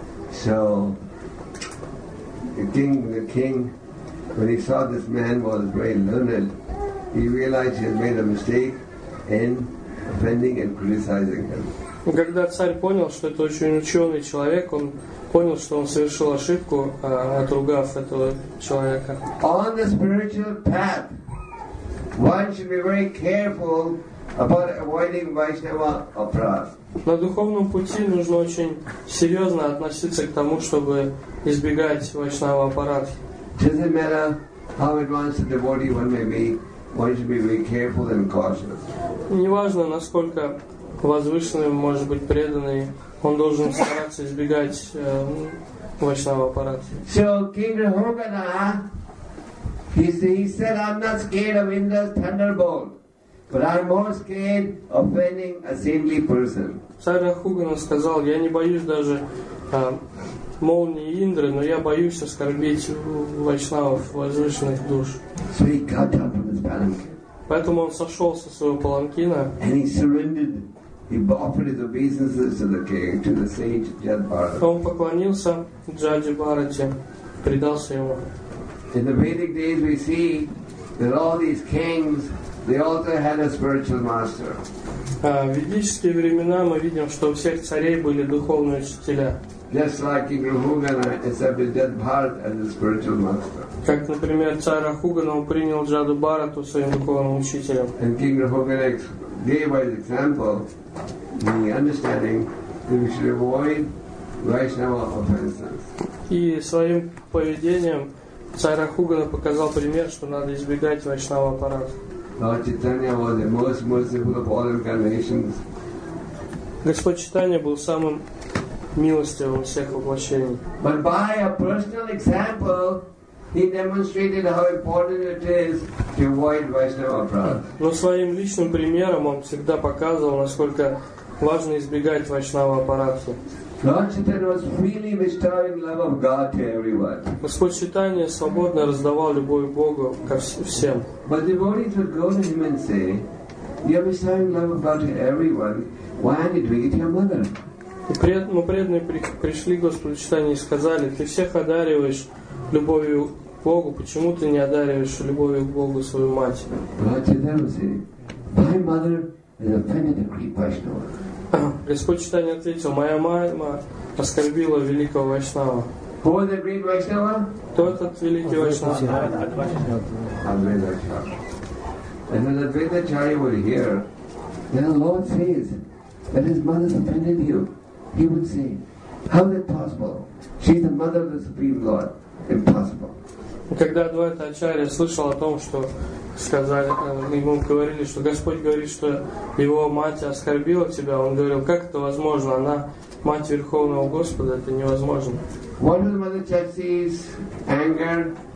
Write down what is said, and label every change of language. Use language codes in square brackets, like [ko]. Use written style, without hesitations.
[en] So the king, when he saw this man was very learned, he realized he had made a mistake in offending and criticizing him. [ru] Когда царь понял, что это очень ученый человек, он понял, что он совершил ошибку, отругав этого человека. [en] On the spiritual path, one should be very careful about avoiding Vaishnava apradh. [ru] На духовном пути нужно очень серьезно относиться к тому, чтобы избегать Вайшнава апарадхи. [en] It doesn't matter how advanced the devotee one may be, one should be very careful and cautious. [ru] Неважно, насколько возвышенным может быть преданный, он должен стараться избегать мощного аппарата. [en] So King Rahugana, he said, I'm not scared of Indra's thunderbolt, but I'm more scared of offending a saintly person. [ru] Царь Рахугана сказал, я не боюсь даже молнии Индры, но я боюсь оскорбить вайшнавов, возвышенных душ. [en] So he got up from his palanquin. [ru] Поэтому он сошел со своего паланкина. [en] And he surrendered. He offered his obeisances to the king, to the sage Jadabharata. [ru] Он поклонился Джадабарате, предался ему. [en] In the Vedic days, we see that all these kings, they also had a spiritual master. [ru] В ведические времена мы видим, что у всех царей были духовные учителя. [en] Just like King Rahugana accepted Jadabharata as a spiritual master. [ru] Как, например, царь Рахугана принял Джадабарату своим духовным учителем. [en] And King Rahugana gave his example. The understanding that we should avoid Vaishnava offenses. [ru] И своим поведением царь Рахугана показал пример, что надо избегать Вайшнава аппарата. [en] Lord Chaitanya was the most merciful of all incarnations. [ru] Господь Чайтанья был самым милостивым всех воплощений. [en] But by a personal example, he demonstrated how important it is to avoid Vaishnava aparadha. [ru] Но своим личным примером он всегда показывал, насколько важно избегать вайшнава аппаратхи. [en] Lord Chaitanya was freely bestowing love of God to everyone. [ru] Господь Чайтанья свободно раздавал любовь Богу ко всем. [en] But devotees would go to him and say, "You're bestowing love of God to everyone. Why aren't you doing it to your mother?" [ru] И преданные пришли к Господу Чайтанье и сказали, ты всех одариваешь любовью к Богу, почему ты не одариваешь любовью к Богу свою мать? [en] Lord Chaitanya would say, "My mother is offended at great Vaishnava." [ru] Господь Чайтанья ответил, моя мама оскорбила великого Вайшнава. [en] Who is the great Vaishnava? [ru] Кто этот великий Вайшнава? [en] Advaita Charya. And when Advaita Charya would hear, then the Lord says that his mother offended you, he would say, how is it possible? She is the mother of the Supreme Lord. Impossible. [ru] Когда Адвайта Ачарья слышал о том, что сказали, ему говорили, что Господь говорит, что его мать оскорбила тебя, он говорил, как это возможно? Она мать Верховного Господа, это невозможно. [en] What was Mother Chachi's anger?